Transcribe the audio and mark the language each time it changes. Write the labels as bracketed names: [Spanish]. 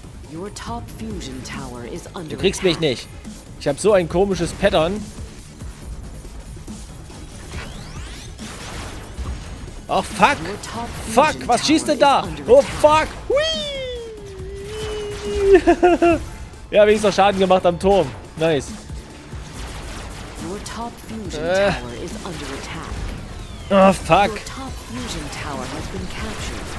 [English] Your top fusion tower is under. [German] Du kriegst mich nicht. Ich habe so ein komisches Pattern. Ach, oh, fuck. Fuck, was schießt denn da? Oh, fuck. Whee! Ja, wenigstens noch Schaden gemacht am Turm. Nice. [English] Your top fusion tower is under attack. Oh, fuck. Your top fusion tower has been captured.